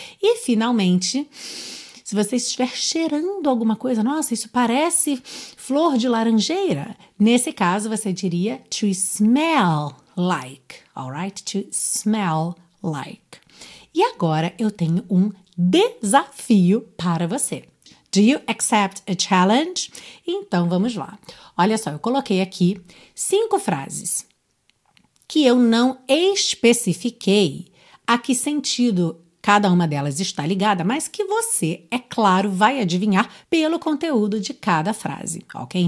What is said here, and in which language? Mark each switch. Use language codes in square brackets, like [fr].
[pt] E, finalmente, se você estiver cheirando alguma coisa, nossa, isso parece flor de laranjeira, nesse caso, você diria [en] to smell like. All right? To smell like. [pt] E agora eu tenho um desafio para você. [en] Do you accept a challenge? [pt] Então, vamos lá. Olha só, eu coloquei aqui 5 frases que eu não especifiquei a que sentido cada uma delas está ligada, mas que você, é claro, vai adivinhar pelo conteúdo de cada frase, ok?